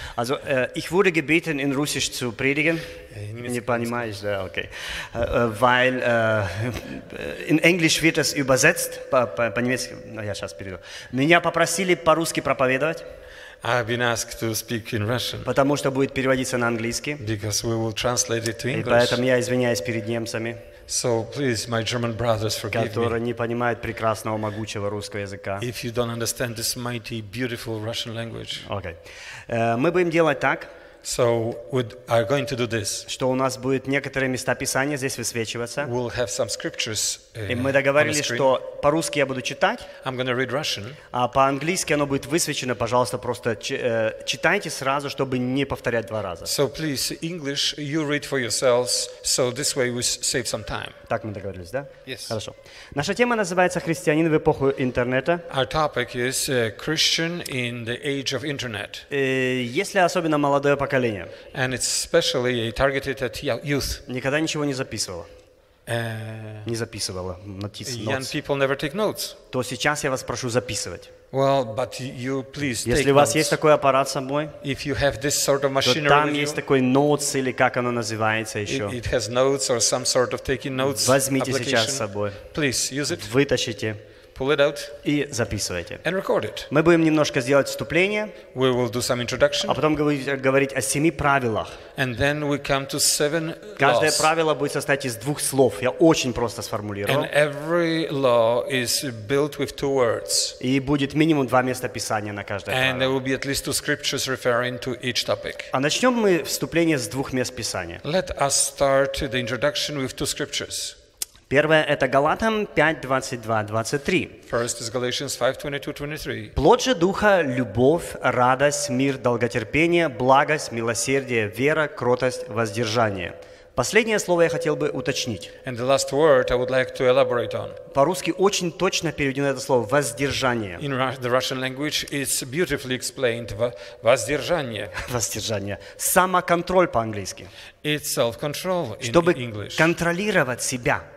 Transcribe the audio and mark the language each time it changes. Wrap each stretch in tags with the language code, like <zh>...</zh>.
<de>Also, ich wurde gebeten, in Russisch zu predigen.</de> <ru>Не понимаешь, да, окей.</ru> <de>Weil in English wird es übersetzt,</de> <ru>по-немецки, но я сейчас перейду. Меня попросили по-русски проповедовать.</ru> <en>I've been asked to speak in Russian.</en> <ru>Потому что будет переводиться на английский.</ru> <en>Because we will translate it to English.</en> <ru>И поэтому я извиняюсь перед немцами.</ru> <en>So please, my German brothers, forgive me.</en> <ru>Которые не понимают прекрасного, могучего русского языка.</ru> <en>If you don't understand this mighty, beautiful Russian language.</en> <ru>Okay. Мы будем делать так.</ru> <en>So we are going to do this.</en> <ru>Что у нас будет некоторые места Писания здесь высвечиваться.</ru> <en>We'll have some scriptures.</en> <ru>И мы договорились, что по-русски я буду читать.</ru> <en>I'm going to read Russian.</en> <ru>А по-английски оно будет высвечено. Пожалуйста, просто читайте сразу, чтобы не повторять два раза.</ru> <en>So please, English, you read for yourselves. So this way we save some time.</en> <ru>Так мы договорились, да?</ru> <en>Yes.</en> <ru>Хорошо. Наша тема называется «Христианин в эпоху интернета».</ru> <en>Our topic is Christian in the age of internet.</en> <ru>Если особенно молодое поколение.</ru> <en>And it's specially targeted at youth.</en> <ru>Никогда ничего не записывало. Не записывала нотис.</ru> <en>Young people never take notes.</en> <ru>То сейчас я вас прошу записывать.</ru> <en>Well, but you please take notes.</en> <ru>Если у вас есть такой аппарат с собой,</ru> <en>if you have this sort of machinery,</en> <ru>там есть такой notes или как оно называется еще.</ru> <en>It has notes or some sort of taking notes.</en> <ru>Возьмите сейчас с собой.</ru> <en>Please use it.</en> <ru>Вытащите.</ru> <en>Pull it out.</en> <ru>И записывайте.</ru> <en>And record it.</en> <ru>Мы будем немножко сделать вступление.</ru> <en>We will do some introduction.</en> <ru>А потом говорить о семи правилах.</ru> <en>And then we come to seven laws.</en> <ru>Каждое правило будет состоять из двух слов. Я очень просто сформулировал.</ru> <en>And every law is built with two words.</en> <ru>И будет минимум два места писания на каждое</ru> <en>and</en> <ru>правило.</ru> <en>And there will be at least two scriptures referring to each topic.</en> <ru>А начнем мы вступление с двух мест писания.</ru> <en>Let us start the introduction with two scriptures.</en> <ru>Первое – это Галатам 5:22-23.</ru> <en>First is Galatians 5:22-23.</en> <ru>Плод же Духа – любовь, радость, мир, долготерпение, благость, милосердие, вера, кротость, воздержание. Последнее слово я хотел бы уточнить.</ru> <en>And the last word I would like to elaborate on.</en> <ru>По-русски очень точно переведено это слово «воздержание».</ru> <en>In the Russian language it's beautifully explained «воздержание».</en> <ru>«Воздержание». «Самоконтроль» по-английски.</ru> <en>It's self-control in</en> <ru>Чтобы</ru> <en>English.</en> <ru>Чтобы контролировать себя.</ru>